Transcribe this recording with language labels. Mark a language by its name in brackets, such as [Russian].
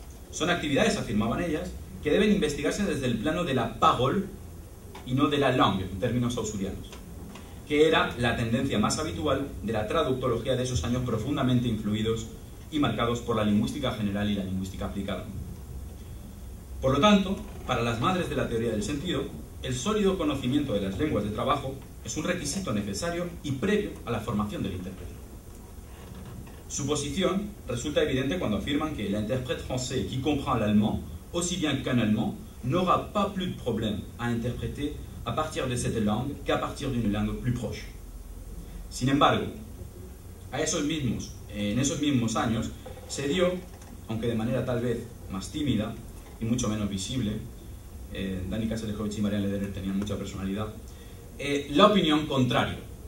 [Spanish] Son actividades, afirmaban ellas, que deben investigarse desde el plano de la parole y no de la langue, en términos ausurianos, que era la tendencia más habitual de la traductología de esos años profundamente influidos y marcados por la lingüística general y la lingüística aplicada. Por lo tanto, para las madres de la teoría del sentido, el sólido conocimiento de las lenguas de trabajo es un requisito necesario y previo a la formación del intérprete. Su posición resulta evidente cuando afirman que [French] l'interprète français qui comprend l'allemand aussi bien qu'un allemand n'aura pas plus de problème à interpréter à partir de cette langue qu'à partir d'une langue plus proche. [Spanish] Sin embargo, en esos mismos años se dio, aunque de manera tal vez más tímida y mucho menos visible, Danica Seleskovic y Marian Lederer tenían mucha personalidad, la opinión contraria.